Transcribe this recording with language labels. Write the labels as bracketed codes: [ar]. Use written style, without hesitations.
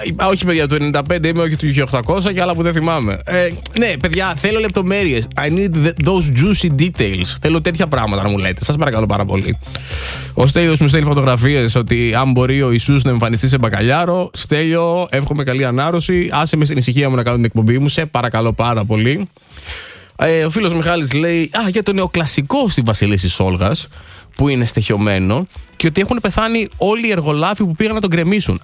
[el] Όχι, παιδιά, του 95 είμαι, όχι του 1800 και άλλα που δεν θυμάμαι. Ναι, παιδιά, θέλω λεπτομέρειες. [en] I need those juicy details. [el] Θέλω τέτοια πράγματα να μου λέτε. Σας παρακαλώ πάρα πολύ. Ο Στέλιος μου στέλνει φωτογραφίες ότι αν μπορεί ο Ιησούς να εμφανιστεί σε μπακαλιάρο. Στέλιο, εύχομαι καλή ανάρρωση. Άσε με στην ησυχία μου να κάνω την εκπομπή μου. Σε παρακαλώ πάρα πολύ. Ο φίλος Μιχάλης λέει: α, για το νεοκλασικό στη Βασιλίση Σόλγας που είναι στοιχειωμένο και ότι έχουν πεθάνει όλοι οι εργολάφοι που πήγαν να τον γκρεμίσουν.